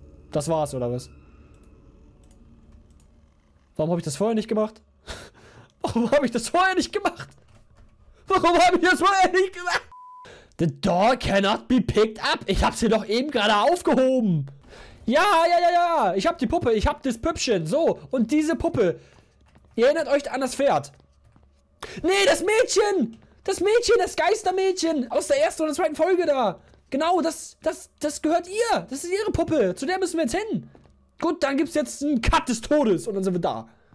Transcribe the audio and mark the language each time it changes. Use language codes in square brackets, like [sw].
[de] Das war's, oder was? Warum habe ich das vorher nicht gemacht? Warum habe ich das vorher nicht gemacht? Warum habe ich das vorher nicht gemacht? [en] The door cannot be picked up. [de] Ich habe sie doch eben gerade aufgehoben. Ja, ja, ja, ja, ich hab die Puppe, ich hab das Püppchen, so, und diese Puppe, ihr erinnert euch an das Pferd. Nee, das Mädchen, das Geistermädchen aus der ersten oder zweiten Folge da. Genau, das gehört ihr, das ist ihre Puppe, zu der müssen wir jetzt hin. Gut, dann gibt's jetzt einen Cut des Todes und dann sind wir da.